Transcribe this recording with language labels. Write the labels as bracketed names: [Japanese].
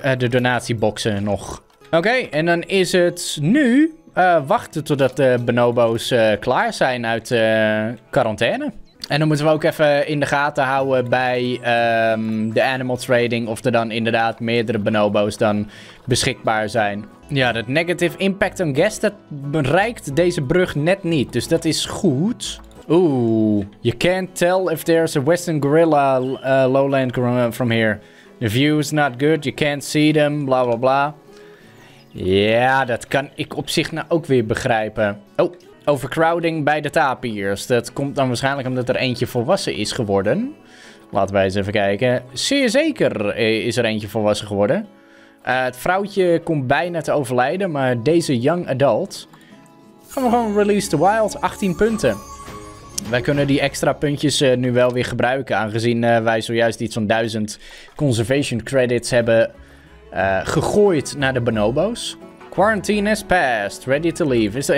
[Dutch] De donatieboxen nog. Oké, en dan is het nu wachten totdat de bonobo's klaar zijn uit quarantaine. En dan moeten we ook even in de gaten houden bij de animal trading. Of er dan inderdaad meerdere bonobo's dan beschikbaar zijn. Ja, dat [English] negative impact on guests, [Dutch] dat bereikt deze brug net niet. Dus dat is goed. [English] Oeh, you can't tell if there's a western gorilla lowland from here. The view is not good, you can't see them, bla bla bla. [Dutch] Ja, dat kan ik op zich nou ook weer begrijpen. Oh, overcrowding bij de tapirs. Dat komt dan waarschijnlijk omdat er eentje volwassen is geworden. Laten wij eens even kijken. Zeer zeker is er eentje volwassen geworden. Het vrouwtje komt bijna te overlijden, maar deze young adult... Gaan we gewoon [English] release the wild, [Dutch] 18 punten. Wij kunnen die extra puntjes nu wel weer gebruiken, aangezien wij zojuist iets van 1000 conservation credits hebben gegooid naar de bonobo's. [English] Quarantine has passed, ready to leave.